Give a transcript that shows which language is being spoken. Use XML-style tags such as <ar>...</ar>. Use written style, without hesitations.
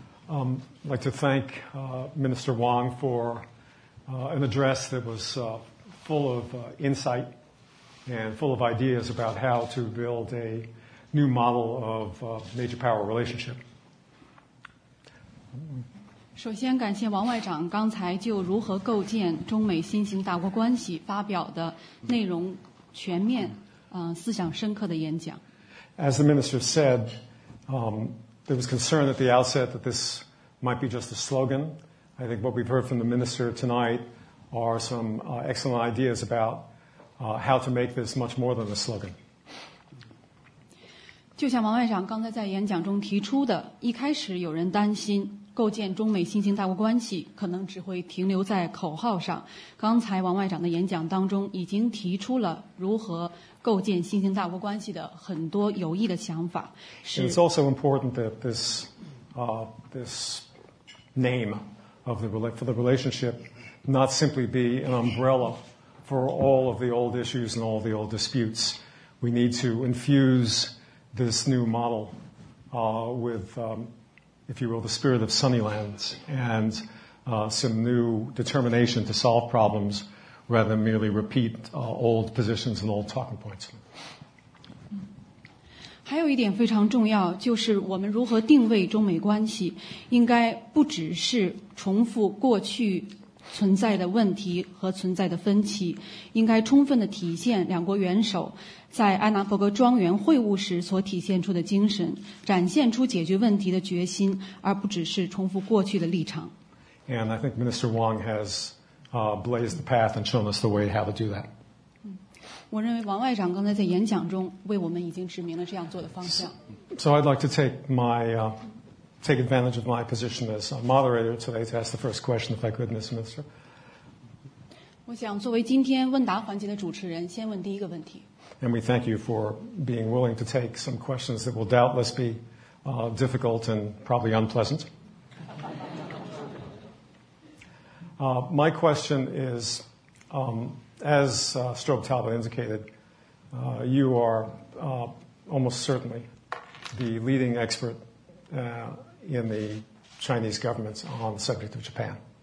<en>I'd like to thank Minister Wong for an address that was full of insight and full of ideas about how to build a new model of major power relationship.</en> <zh>首先感谢王外长刚才就如何构建中美新型大国关系发表的内容全面思想深刻的演讲。</zh> <en>As the minister said, there was concern at the outset that this might be just a slogan. I think what we've heard from the minister tonight are some excellent ideas about how to make this much more than a slogan.</en> <zh>就像王外长刚才在演讲中提出的，一开始有人担心构建中美新型大国关系可能只会停留在口号上。刚才王外长的演讲当中已经提出了如何构建新型大国关系的很多有益的想法。</zh> <en>It's also important that this, this name of the, for the relationship not simply be an umbrella for all of the old issues and all the old disputes. We need to infuse this new model with, if you will, the spirit of Sunnylands and some new determination to solve problems rather than merely repeat old positions and old talking points.</en> <zh>还有一点非常重要，就是我们如何定位中美关系，应该不只是重复过去存在的问题和存在的分歧，应该充分地体现两国元首在安南伯格庄园会晤时所体现出的精神，展现出解决问题的决心，而不只是重复过去的立场。</zh> <en>And I think Minister Wong has blazed the path and shown us the way how to do that.</en> <zh>我认为王外长刚才在演讲中为我们已经指明了这样做的方向。</zh> <en>So I'd like to take my take advantage of my position as a moderator today to ask the first question, if I could, Ms. Minister.</en> <zh>我想作为今天问答环节的主持人，先问第一个问题。</zh> <en>And we thank you for being willing to take some questions that will doubtless be difficult and probably unpleasant. My question is, as Strobe Talbot indicated, you are almost certainly the leading expert in the Chinese government on the subject of Japan.</en>